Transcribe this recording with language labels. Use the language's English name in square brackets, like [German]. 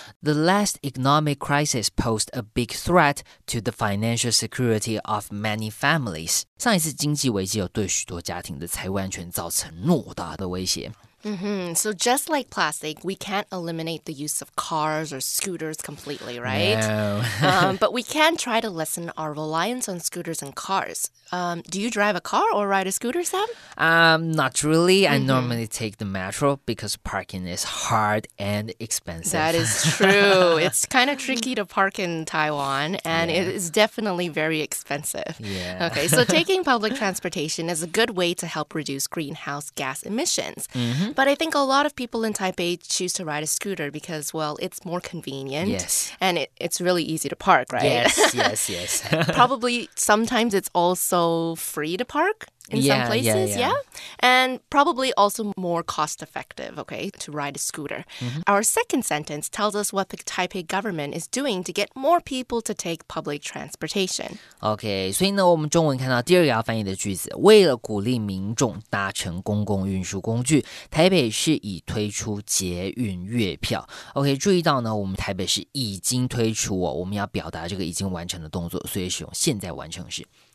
[English] The last economic crisis posed a big threat to the financial security of many families。 [Chinese] 上一次经济危机有对许多家庭的财务安全造成诺大的威胁。 [English] Mm-hmm. So just like plastic, we can't eliminate the use of cars or scooters completely, right? No. but we can try to lessen our reliance on scooters and cars. Do you drive a car or ride a scooter, Sam? Not really. Mm-hmm. I normally take the metro because parking is hard and expensive. That is true. It's kind of tricky to park in Taiwan, and yeah. It is definitely very expensive. Yeah. Okay, so taking public transportation is a good way to help reduce greenhouse gas emissions. Mm-hmm. But I think a lot of people in Taipei choose to ride a scooter because, well, it's more convenient. Yes. And it's really easy to park, right? Yes, yes, yes. Probably sometimes it's also free to park in some places. Yeah. And probably also more cost effective, okay, to ride a scooter. Mm-hmm. Our second sentence tells us what the Taipei government is doing to get more people to take public transportation. [Chinese] Okay, 所以呢我们中文看到第二个要翻译的句子，为了鼓励民众搭乘公共运输工具，台北市已推出捷运月票。 OK, 注意到呢我们台北市已经推出哦，我们要表达这个已经完成的动作，所以使用现在完成式。